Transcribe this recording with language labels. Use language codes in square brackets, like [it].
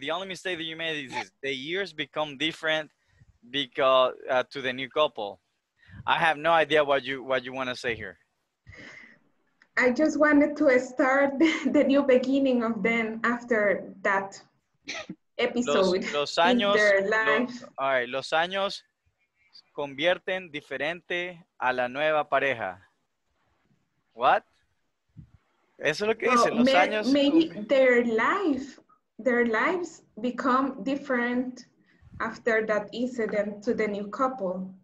[en] The only mistake that you made is the years become different because to the new couple. I have no idea what you want to say here. I just wanted to start the new beginning of them after that episode. [es] Los años. Los años convierten diferente a la nueva pareja. [en] What? [es] Eso es lo que dice. Los años. [en] Maybe their lives become different after that incident to the new couple.